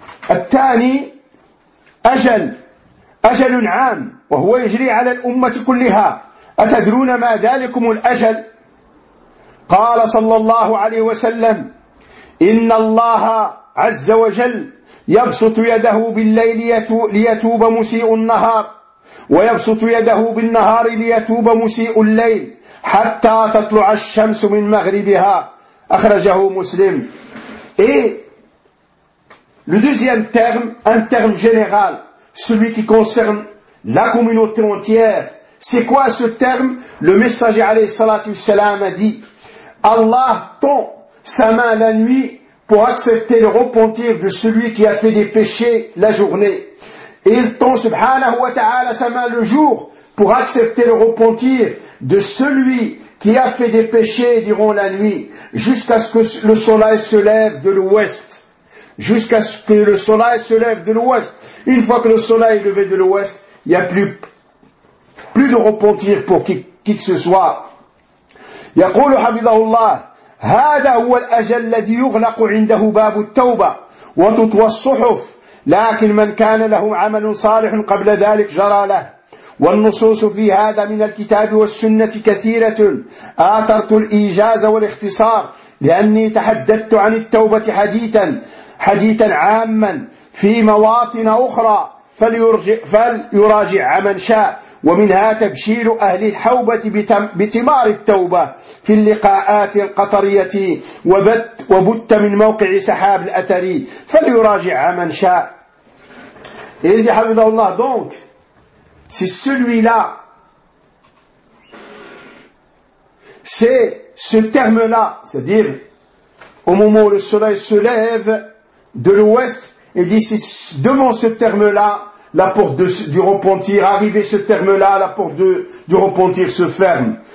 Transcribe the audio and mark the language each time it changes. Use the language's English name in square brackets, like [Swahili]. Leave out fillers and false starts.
[Arabic] الثاني أجل عام وهو يجري على الأمة كلها أتدرون ما ذلكم الأجل؟ قال صلى الله عليه وسلم إن الله عز وجل يبسط يده بالليل ليتوب مسيء النهار ويبسط يده بالنهار ليتوب مسيء الليل حتى تطلع الشمس من مغربها أخرجه مسلم. [French] Le deuxième terme, un terme général, celui qui concerne la communauté entière, c'est quoi ce terme? Le messager alayhi salatu salam a dit, Allah tend sa main la nuit pour accepter le repentir de celui qui a fait des péchés la journée. Et il tend subhanahu wa ta'ala sa main le jour pour accepter le repentir de celui qui a fait des péchés durant la nuit, jusqu'à ce que le soleil se lève de l'ouest. Jusqu'à ce que le soleil se lève de l'ouest. Une fois que le soleil est levé de l'ouest, il n'y a plus de repentir pour qui que ce soit. [Arabic] يقول حفظه الله هذا هو الأجل الذي يغلق عنده باب التوبة وتطوى الصحف لكن من كان له عمل صالح قبل ذلك جرى له والنصوص في هذا من الكتاب والسنة كثيرة آثرت الإيجاز والاختصار لأني تحدثت عن التوبة حديثا عاما في مواطن أخرى فليراجع من شاء ومنها تبشير أهل الحوبة بتمار التوبة في اللقاءات القطرية وبت من موقع سحاب الأتري فليراجع من شاء. [French] Il dit Habibullah, donc c'est celui-là, c'est ce terme-là, c'est-à-dire au moment où le soleil se lève de l'ouest, il dit c'est devant ce terme-là la porte du repentir, arrivé ce terme-là, la porte du repentir se ferme.